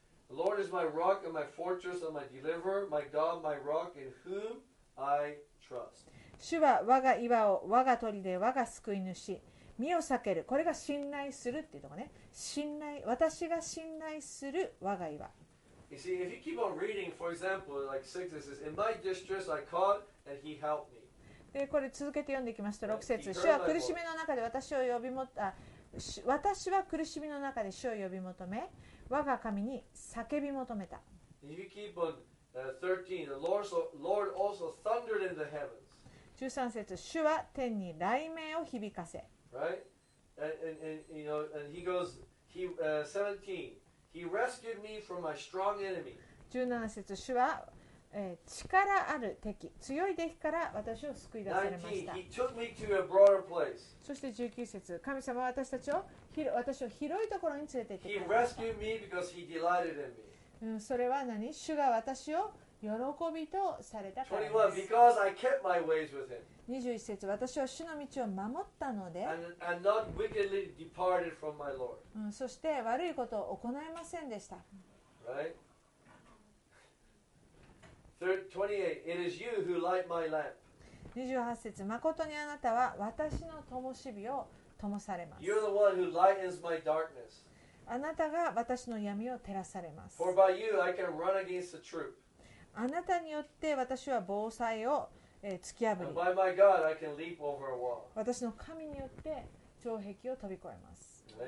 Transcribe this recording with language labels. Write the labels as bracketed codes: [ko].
[en] The Lord is my rock and my fortress and my deliverer, my God, my rock in whom I trust. [ja] 主は我が岩を、我が砦で我が救い主、身を避ける、これが信頼するっていうところね、信頼、私が信頼する我が岩。 [en] You see, if you keep on reading, for example, like 6, it says, In my distress I called and he helped me. [ja] で、これ続けて読んでいきますと、6節、主は苦しみの中で私を呼びも、私は苦しみの中で主を呼び求め、我が神に叫び求めた。 [en] If you keep on 13, the Lord also thundered in the heavens. [ja] 13節、主は天に雷鳴を響かせ。 [en] Right? And you know, and he goes, he, 17, he rescued me from my strong enemy. [ja] 17節、主は、力ある敵、強い敵から私を救い出されました。 [en] 19, he took me to a broader place. [ja] そして19節、神様は私たちを、私を広いところに連れて行ってくれました。 [en] He rescued me because he delighted in me. [ja] それは何？主が私を喜びとされたからです。 [en] 21, because I kept my ways with him. [ja] 21節、私は主の道を守ったので [en] and not wickedly departed from my Lord.、 [ja] そして悪いことを行いませんでした。 [en] Right? 28, it is you who light my lamp. [ja] 28節、誠にあなたは私の灯火を灯されます。 [en] You're the one who lightens my darkness. [ja] あなたが私の闇を照らされます。 [en] For by you I can run against the troop. [ja] あなたによって私は防災を突き破り、 [en] by my God, I can leap over a wall. [ja] 私の神によって城壁を飛び越えます。